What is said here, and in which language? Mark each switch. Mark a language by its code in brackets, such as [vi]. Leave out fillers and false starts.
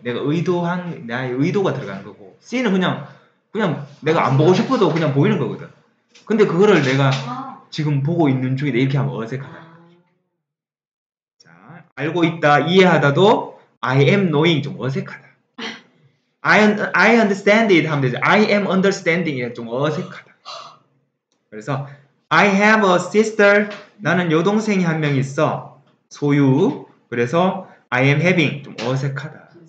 [ko] 내가 의도한 나의 의도가 들어가는 거고 see는 그냥 내가 안 보고 싶어도 그냥 보이는 거거든. 근데 그거를 내가 지금 보고 있는 중인데 이렇게 하면 어색하다. 자, 알고 있다, 이해하다도 [en] I am knowing [ko] 좀 어색하다. [en] I understand it [ko] 하면 되지. [en] I am understanding [ko] 이게 좀 어색하다. 그래서 [en] I have a sister. [ko] 나는 여동생이 한 명 있어. 소유. 그래서 [en] I am having [ko] 좀 어색하다.